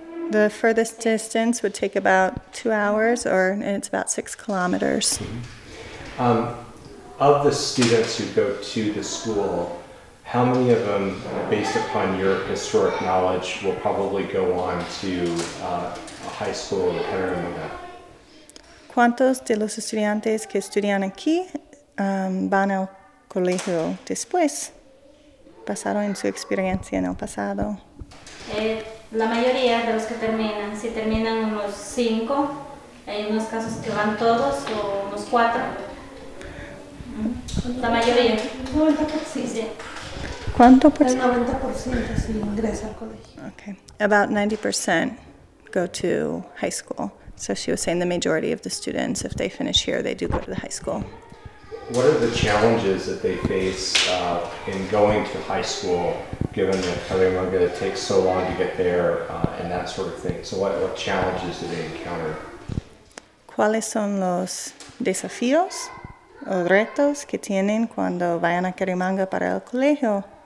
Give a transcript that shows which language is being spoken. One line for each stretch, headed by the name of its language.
English: The furthest distance would take about 2 hours, or it's about 6 kilometers. Mm-hmm. Of the students who go to the school, how many of them, based upon your historic knowledge, will probably go on to a high school in Paramita?
Spanish: ¿Cuántos de los estudiantes que estudian aquí van al colegio después? ¿Pasaron en su experiencia en el pasado? La mayoría de los que terminan, si terminan unos 5, hay unos casos que van todos, o unos 4. La mayoría. Sí. ¿Cuánto por ciento? El 90% si ingresa al colegio.
English: Okay. About 90% go to high school. So she was saying the majority of the students, if they finish here, they do go to the high school. What are the challenges that they face in going to high school, given that Cariamanga takes so long to get there and that sort of thing? So what challenges do they encounter?
Spanish: ¿Cuáles son los desafíos o retos que tienen cuando vayan a Cariamanga para el colegio?